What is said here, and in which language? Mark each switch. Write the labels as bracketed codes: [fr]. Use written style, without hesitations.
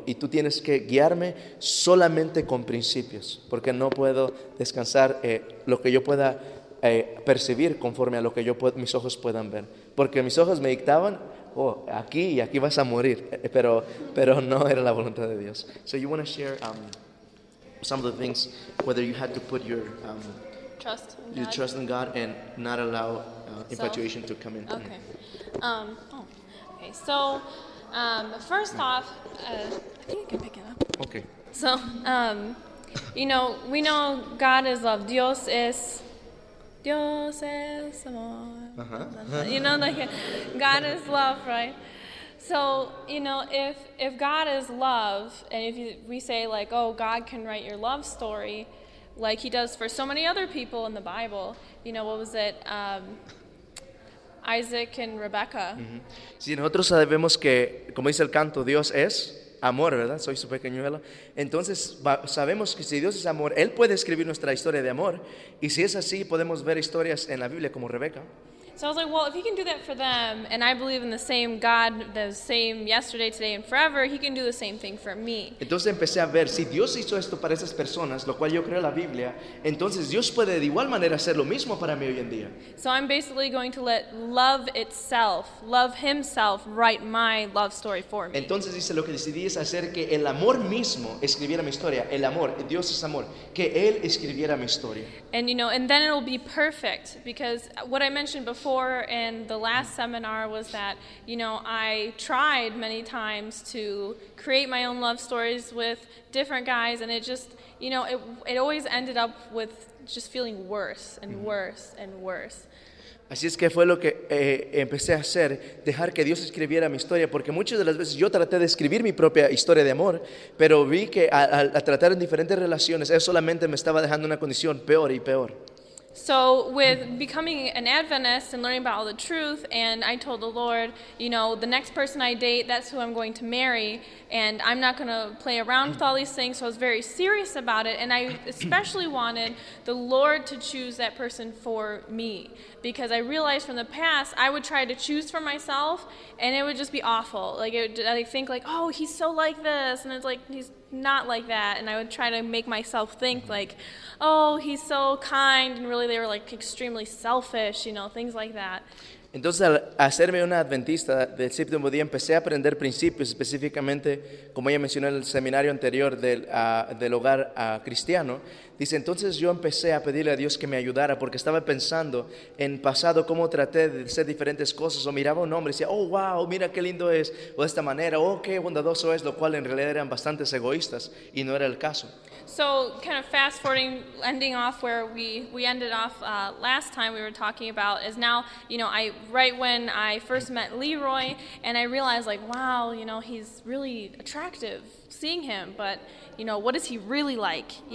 [es] Y tú tienes que guiarme solamente con principios, porque no puedo descansar lo que yo pueda percibir conforme a lo que yo mis ojos puedan ver. Porque mis ojos me dictaban, oh, aquí y aquí vas a morir, pero no era la voluntad de Dios. [en] So you want to share some of the things, whether you had to put your trust in God. You trust in God and not allow infatuation to come in. Okay. Okay. So, first off, I think I can pick it up. Okay. So, you know, we know God is love. [es] Dios es amor. Uh-huh. [en] You know, like God is love, right? So, you know, if God is love, and if we say like, oh, God can write your love story, like He does for so many other people in the Bible, you know, what was it? Isaac and Rebecca. Mm-hmm. [es] Si nosotros sabemos que, como dice el canto, Dios es amor, ¿verdad? Soy su pequeñuelo. Entonces, sabemos que si Dios es amor, Él puede escribir nuestra historia de amor. Y si es así, podemos ver historias en la Biblia como Rebeca. [en] So I was like, well, if He can do that for them, and I believe in the same God, the same yesterday, today, and forever, He can do the same thing for me. [es] Entonces empecé a ver, si Dios hizo esto para esas personas, lo cual yo creo en la Biblia, entonces Dios puede de igual manera hacer lo mismo para mí hoy en día. [en] So I'm basically going to let love itself, love Himself, write my love story for me. [es] Entonces dice, lo que decidí es hacer que el amor mismo escribiera mi historia. El amor, Dios es amor, que Él escribiera mi historia. [en] And you know, and then it'll be perfect, because what I mentioned before in the last seminar was that, you know, I tried many times to create my own love stories with different guys, and it just, you know, it always ended up with just feeling worse and worse and worse. [es] Así es que fue lo que empecé a hacer, dejar que Dios escribiera mi historia, porque muchas de las veces yo traté de escribir mi propia historia de amor, pero vi que a tratar en diferentes relaciones, eso solamente me estaba dejando una condición peor y peor. [en] So with becoming an Adventist and learning about all the truth, and I told the Lord, you know, the next person I date, that's who I'm going to marry, and I'm not going to play around with all these things. So I was very serious about it, and I especially wanted the Lord to choose that person for me, because I realized from the past I would try to choose for myself, and it would just be awful. Like I think like, oh, he's so like this, and it's like he's not like that, and I would try to make myself think like, oh, he's so kind, and really they were like extremely selfish, you know, things like that. [es] Entonces, al hacerme una adventista del séptimo día, empecé a aprender principios, específicamente, como ella mencionó en el seminario anterior del hogar cristiano. Dice, entonces yo empecé a pedirle a Dios que me ayudara, porque estaba pensando en pasado cómo traté de hacer diferentes cosas, o miraba a un hombre y decía, oh, wow, mira qué lindo es, o de esta manera, oh, qué bondadoso es, lo cual en realidad eran bastantes egoístas, y no era el caso. [en] So, kind of fast forwarding, ending off where we ended off last time we were talking about is now, you know, right when I first met Leroy and I realized like, wow, you know, he's really attractive seeing him, but, you know, what is he really like?